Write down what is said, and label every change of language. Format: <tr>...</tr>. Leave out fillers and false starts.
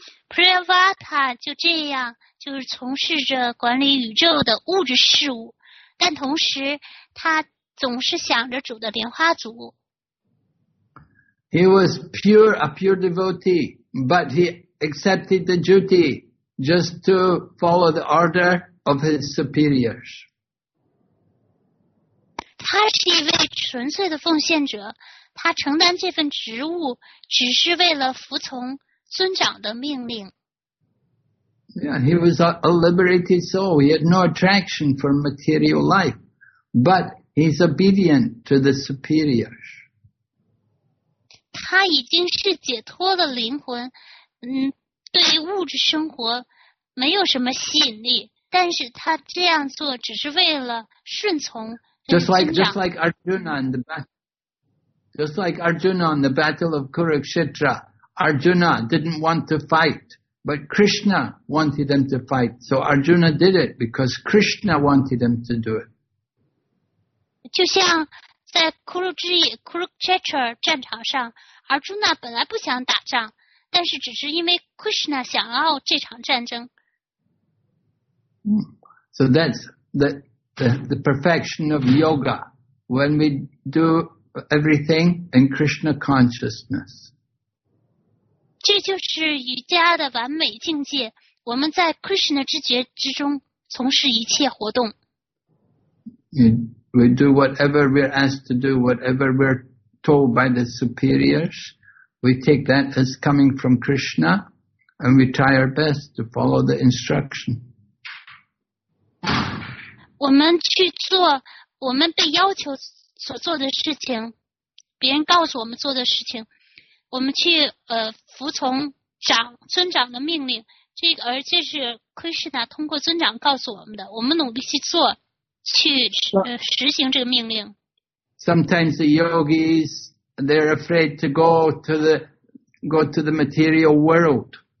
<zh>Priyavrata 就这样就是从事着管理宇宙的物质事物，但同时他总是想着主的莲花足。</zh> <en>He was pure, a pure devotee, but he accepted the duty just to follow the order of his superiors.</en> <zh>他是一位纯粹的奉献者，他承担这份职务只是为了服从尊长的命令。</zh> <en>Yeah, he was a liberated soul. He had no attraction for material life, but he's obedient to the superiors.</en> <zh>他已经是解脱了灵魂，对物质生活没有什么吸引力，但是他这样做只是为了顺从尊长。</zh> <en>Just like Arjuna in the battle of Kurukshetra. Arjuna didn't want to fight, but Krishna wanted him to fight. So Arjuna did it because Krishna wanted him to do it.</en> <zh>就像在 Kurukshetra 战场上， Arjuna 本来不想打仗，但是只是因为 Krishna 想要这场战争。</zh> <en>So that's the perfection of yoga. When we do everything in Krishna consciousness.</en> <zh>这就是瑜伽的完美境界，我们在 Krishna 知觉之中从事一切活动。</zh> <en>We do whatever we're asked to do, whatever we're told by the superiors. We take that as coming from Krishna, and we try our best to follow the instruction.</en> <zh>我们去做我们被要求所做的事情，别人告诉我们做的事情。我们去服从长尊长的命令，这是 Krishna 通过尊长告诉我们的，我们努力去做，去实行这个命令。</zh> <en>Sometimes the yogis they're afraid to go to the material world.</en>